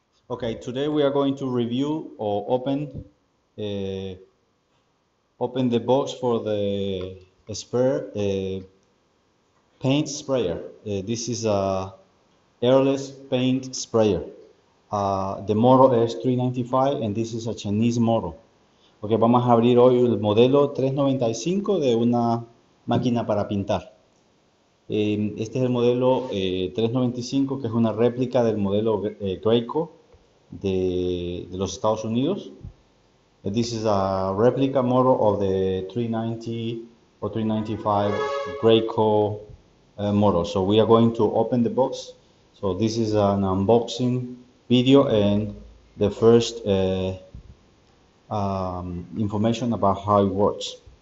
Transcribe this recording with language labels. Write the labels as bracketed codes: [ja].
[en] Okay, today we are going to review or open the box for the paint sprayer. This is a airless paint sprayer. The model is 395 and this is a Chinese model. [es] Okay, vamos a abrir hoy el modelo 395 de una máquina para pintar. Este es el modelo 395, que es una réplica del modelo Greco de los Estados Unidos. [en] This is a replica model of the 390 or 395 Greco model. So we are going to open the box. So this is an unboxing video and the first information about how it works.